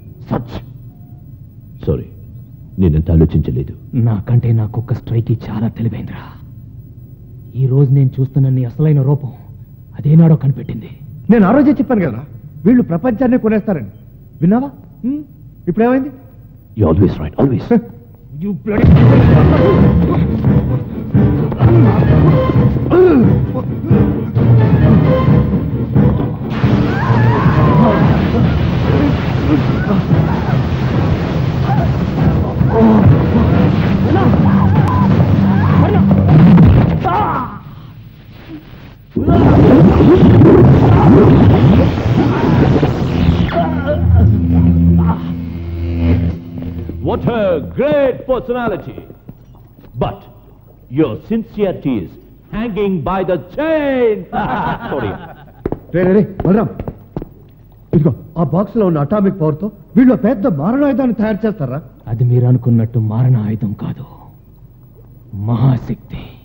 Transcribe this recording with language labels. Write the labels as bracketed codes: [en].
[te] Such sorry, నేనంత ఆలోచించలేదు. నాకంటే నా కుక్క స్ట్రైకి చాలా తెలివైందిరా. ఈరోజు నేను చూస్తున్న నీ అసలైన రూపం అదేనాడో కనిపెట్టింది. నేను ఆ రోజే చెప్పాను కదా, వీళ్ళు ప్రపంచాన్ని కొనేస్తారని. విన్నావా? ఇప్పుడేమైంది? [en] You're always right, always. You bloody... What a great personality, but your sincerity is hanging by the chain. Sorry. Hey, hey, Balram. [te] ఇదిగో ఆ బాక్స్ లో ఉన్న అటామిక్ పవర్ తో వీళ్ళు పెద్ద మారణ ఆయుధాన్ని తయారు చేస్తారా? అది మీరు అనుకున్నట్టు మారణ ఆయుధం కాదు, మహాశక్తి.